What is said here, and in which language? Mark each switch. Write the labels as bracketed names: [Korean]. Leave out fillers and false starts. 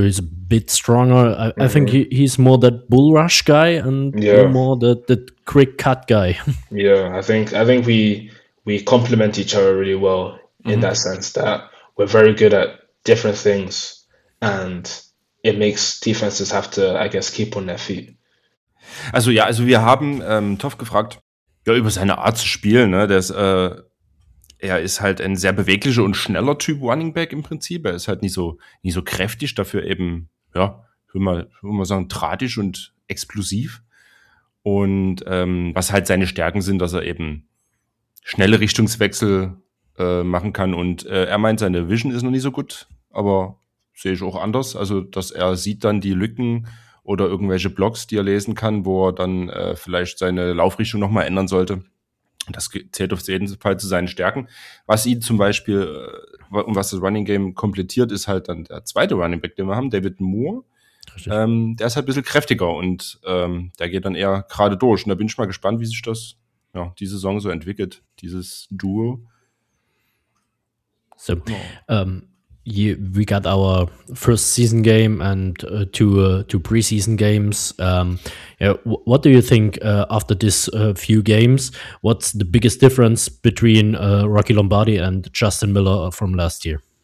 [English] He's a bit stronger. I think he's more that bull rush guy and more that quick cut guy. Yeah, I think we complement each other really well in mm-hmm. that sense that we're very good at different things and it makes defenses have to, I guess, keep on their feet. [German] Also ja, also wir haben Toff gefragt, ja, über seine Art zu spielen, ne? Das, er ist halt ein sehr beweglicher und schneller Typ Running Back im Prinzip. Er ist halt nicht so kräftig, dafür eben, ja, würde man sagen, drahtisch und explosiv. Und was halt seine Stärken sind, dass er eben schnelle Richtungswechsel machen kann. Und er meint, seine Vision ist noch nicht so gut, aber sehe ich auch anders. Also, dass er sieht dann die Lücken oder irgendwelche Blocks, die er lesen kann, wo er dann vielleicht seine Laufrichtung nochmal ändern sollte. Das zählt auf jeden Fall zu seinen Stärken. Was ihn zum Beispiel, um was das Running Game komplettiert, ist halt dann der zweite Running Back, den wir haben, David Moore. Der ist halt ein bisschen kräftiger und der geht dann eher gerade durch. Und da bin ich mal gespannt, wie sich das die Saison so entwickelt, dieses Duo. [English] So, we got our first season game and two preseason games. What do you think after this few games? What's the biggest difference between Rocky Lombardi and Justin Miller from last year?